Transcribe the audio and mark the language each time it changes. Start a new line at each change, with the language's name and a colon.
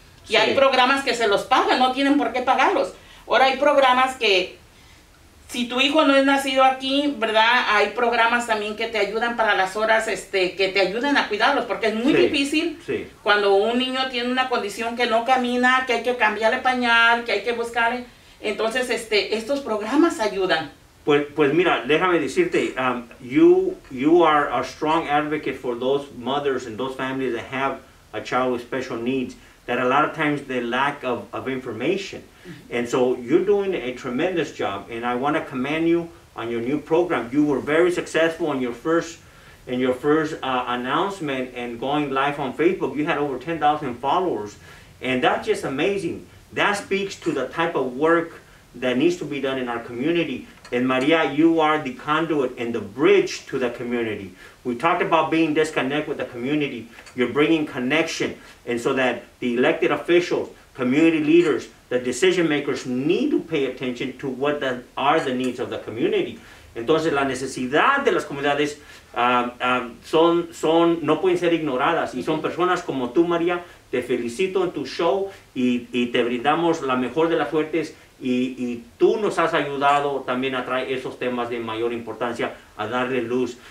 Spanish: Y sí, hay programas que se los pagan, no tienen por qué pagarlos. Ahora hay programas que si tu hijo no es nacido aquí, ¿verdad? Hay programas también que te ayudan para las horas, que te ayuden a cuidarlos, porque es muy difícil cuando un niño tiene una condición que no camina, que hay que cambiarle pañal, que hay que buscarle. Entonces, estos programas ayudan. Pues mira, déjame decirte,
English: you are a strong advocate for those mothers and those families that have a child with special needs, that a lot of times the lack of information. And so you're doing a tremendous job, and I want to commend you on your new program. You were very successful in your first announcement and going live on Facebook. You had over 10,000 followers, and that's just amazing. That speaks to the type of work that needs to be done in our community. And Maria, you are the conduit and the bridge to the community. We talked about being disconnected with the community. You're bringing connection, and so that the elected officials, community leaders, the decision makers need to pay attention to what are the needs of the community.
Spanish: Entonces, la necesidad de las comunidades son no pueden ser ignoradas, y son personas como tú, Maria. Te felicito en tu show, y te brindamos la mejor de las suertes. Y tú nos has ayudado también a traer esos temas de mayor importancia, a darle luz.